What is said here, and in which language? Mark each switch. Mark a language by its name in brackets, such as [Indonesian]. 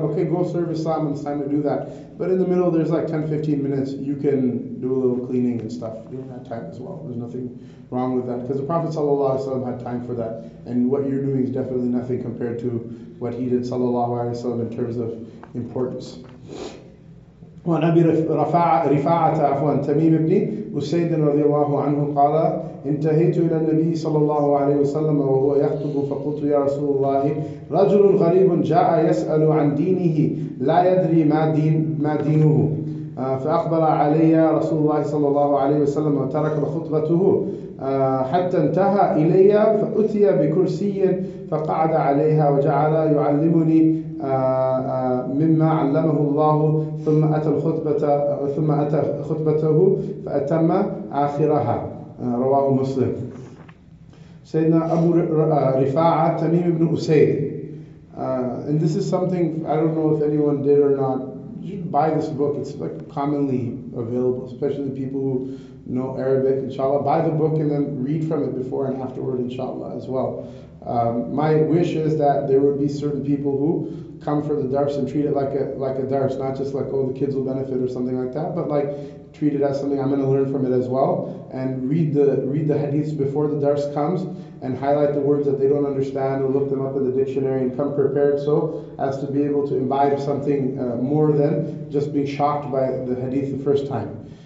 [English] Okay, go serve Islam when it's time to do that. But in the middle, there's like 10-15 minutes. You can do a little cleaning and stuff during that time as well. There's nothing wrong with that. Because the Prophet ﷺ had time for that. And what you're doing is definitely nothing compared to what he did ﷺ in terms of importance. [Arabic] وعن أبي رفاعة عفوا تميم بن أسيد رضي الله عنه قال انتهيت إلى النبي صلى الله عليه وسلم وهو يخطب فقلت يا رسول الله رجل غريب جاء يسأل عن دينه لا يدري ما دينه فأقبل علي رسول الله صلى الله عليه وسلم وترك خطبته حتى انتهى إلي فأتي بكرسي فقعد عليها وجعل يعلمني مما علمه الله ثم أتى الخطبة ثم أتى خطبته فأتم آخرها رواه مسلم. سيدنا أبو رفاعة تميم بن أسيد. [English] And this is something I don't know if anyone did or not. You should buy this book. It's like commonly available, especially people who know Arabic, inshallah. Buy the book and then read from it before and afterward, inshallah, as well. My wish is that there would be certain people who come for the dars and treat it like a dars, not just like, oh, the kids will benefit or something like that, but like treat it as something I'm going to learn from it as well, and read the hadiths before the dars comes, and highlight the words that they don't understand, and look them up in the dictionary, and come prepared so as to be able to imbibe something more than just being shocked by the hadith the first time.